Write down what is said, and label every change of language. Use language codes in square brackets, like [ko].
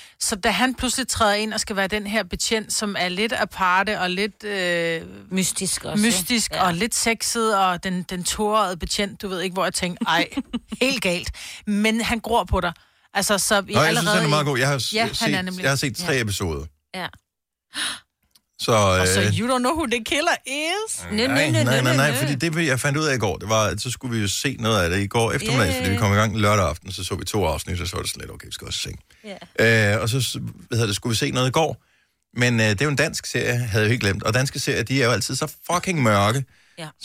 [da] Så da han pludselig træder ind og skal være den her betjent, som er lidt aparte og lidt mystisk, også, mystisk og lidt sexet og den tårede betjent, du ved ikke, hvor jeg tænkte, ej, helt galt. Men han gror på dig. Altså, så nå, jeg synes, han er meget god. Jeg har set tre episoder. Ja. Så, [en] Så you don't know who the killer is? [da] Nej, fordi det, jeg fandt ud af i går, det var, at så skulle vi jo se noget af det i går eftermiddag, fordi vi kom i gang lørdag aften, så vi to afsnit, så var det sådan lidt, okay, vi skal også se. Yeah. Og så skulle vi se noget i går, men det er jo en dansk serie, havde jeg ikke glemt, og danske serier, de er jo altid så fucking mørke. Yeah.